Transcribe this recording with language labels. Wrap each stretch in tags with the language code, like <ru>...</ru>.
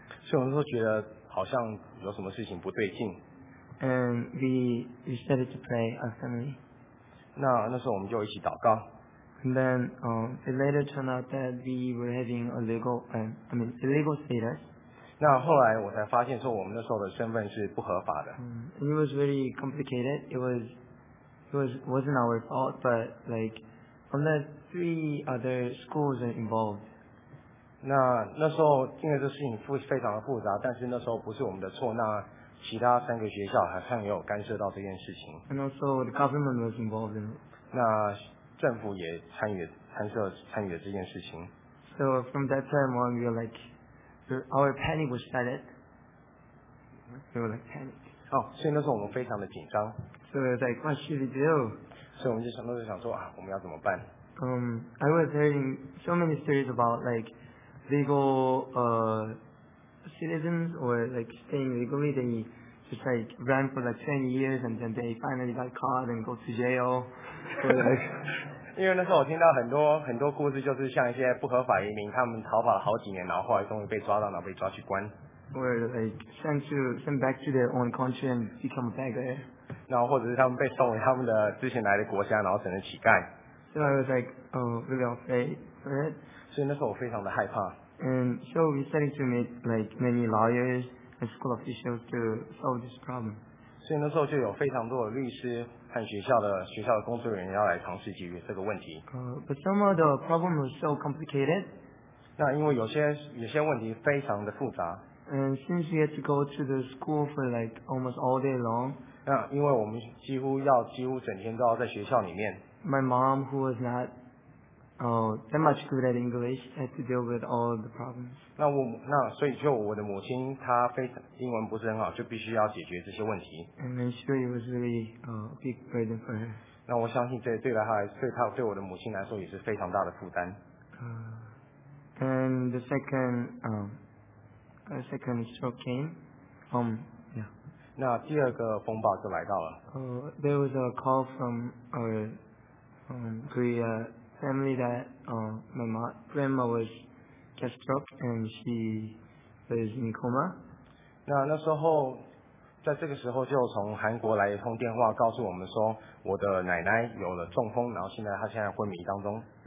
<zh>所以我们说觉得好像有什么事情不对劲。</zh> <en>And we decided to pray our family.</en> <zh>那那时候我们就一起祷告。</zh> <en>And then, it later turned out that we were having a illegal status.</en> <zh>那后来我才发现说我们那时候的身份是不合法的。</zh> <en>And it was very complicated. It wasn't our fault, but like from the three other schools involved.</en> <zh>那那时候因为这事情非常的复杂，但是那时候不是我们的错，那其他三个学校好像也有干涉到这件事情。</zh> <en>And also the government was involved in it.</en> <zh>那政府也参与了这件事情。</zh> <en>So from that time on, we were like, our panic was started. We were like panic.</en> <zh>哦，所以那时候我们非常的紧张。</zh> <en>So we were like, what should we do?</en> <zh>所以我们就想，那时候想说啊，我们要怎么办？</zh> <en>I was hearing so many stories about like legal, citizens or like staying legally, they just like ran for like 10 years and then they finally got caught and go to jail. Like,</en> <zh>因为那时候我听到很多很多故事，就是像一些不合法移民，他们逃跑了好几年，然后后来终于被抓到，然后被抓去关。</zh> <en>Or like sent back to their own country and become a beggar.</en> <zh>然后或者是他们被送回他们的之前来的国家，然后成了乞丐。</zh> <en>So I was like, oh, really afraid for it.</en> <zh>所以那时候我非常的害怕。</zh> <en>And so we started to meet like many lawyers and school officials to solve this problem.</en> <zh>所以那时候就有非常多的律师和学校的工作人员要来尝试解决这个问题。</zh> <en>But some of the problem was so complicated.</en> <zh>那因为有些问题非常的复杂。</zh> <en>And since we had to go to the school for like almost all day long.</en> <zh>那因为我们几乎整天都要在学校里面。</zh> <en>My mom, who was not that much good at English, had to deal with all the problems.</en> <zh>那所以就我的母亲，她非常英文不是很好，就必须要解决这些问题。</zh> <en>And I'm sure it was really a big burden for her.</en> <zh>那我相信这对她来，对她对我的母亲来说也是非常大的负担。</zh> <en>And the second stroke came. Yeah.</en> <zh>那第二个风暴就来到了。</zh> <en>There was a call from our Korea family that my grandma was get struck and she was in coma.</en> <zh>那时候，在这个时候就从韩国来一通电话，告诉我们说我的奶奶有了中风，然后她现在昏迷当中。</zh>